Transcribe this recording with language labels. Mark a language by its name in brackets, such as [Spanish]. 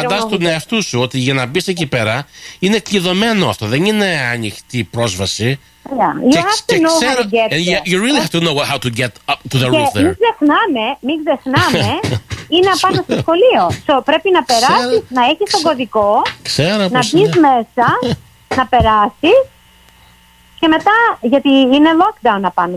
[Greek] Απαντάς τον εαυτό σου ότι για να μπεις εκεί πέρα είναι κλειδωμένο αυτό. Δεν είναι ανοιχτή πρόσβαση. Yeah. [English] You have to know how to get there. You really have to know how to get up to the roof there. [Greek] Μην ξεχνάμε. Είναι απάνω στο σχολείο. So, πρέπει να περάσει, να έχει τον κωδικό. Να μπει μέσα, να περάσει. Και μετά, γιατί είναι lockdown απάνω.